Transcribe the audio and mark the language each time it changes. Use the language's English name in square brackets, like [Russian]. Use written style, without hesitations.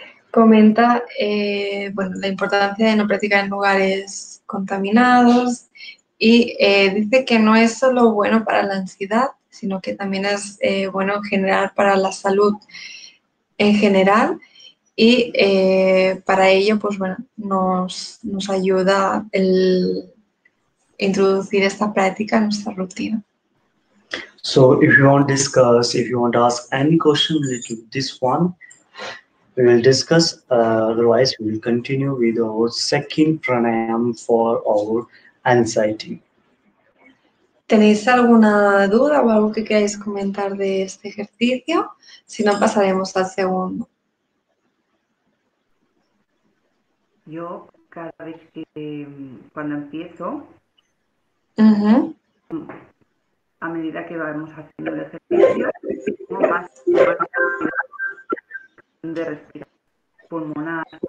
[Spanish] Comenta, bueno, la importancia de no practicar en lugares contaminados, y dice que no es solo bueno para la ansiedad, sino que también es bueno en general para la salud en general, y para ello, pues bueno, nos ayuda el introducir esta práctica en nuestra rutina. [English] So, if you want to discuss, if you want to ask any question related to this one, we will discuss, otherwise we will continue with our second pranayama for our anxiety. [Spanish] ¿Tenéis alguna duda o algo que queráis comentar de este ejercicio? Si no, pasaremos al segundo. Yo cada vez que cuando empiezo, a medida que vamos haciendo el ejercicio, tengo más necesidad de respirar pulmonar.